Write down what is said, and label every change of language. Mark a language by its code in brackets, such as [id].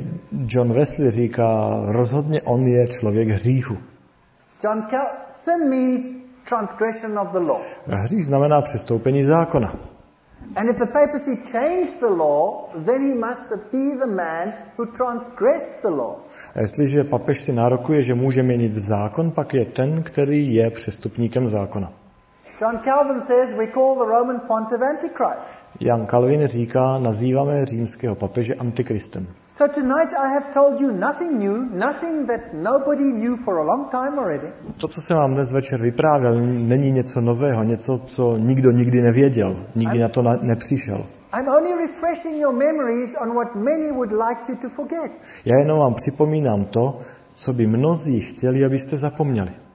[cs] John Wesley říká, rozhodně on je člověk hříchu. [en] John sin means transgression of the law. [cs] Hřích znamená přestoupení zákona. [en] And if the papacy changed the law, then he must be the man who transgressed the law. [cs] A jestliže papež si nárokuje, že může měnit zákon, pak je ten, který je přestupníkem zákona. [en] John Calvin says we call the Roman pontiff Antichrist. [cs] Jan Calvin říká, nazýváme římského papeže antikristem. [en] So tonight I have told you nothing new, nothing that nobody knew for a long time already. [cs] To, co jsem vám dnes večer vyprávěl, není něco nového, něco, co nikdo nikdy nevěděl, nikdy na to nepřišel. [en] I'm only refreshing your memories on what many would like you to forget. [cs] Já jenom vám připomínám to, co by mnozí chtěli, abyste zapomněli.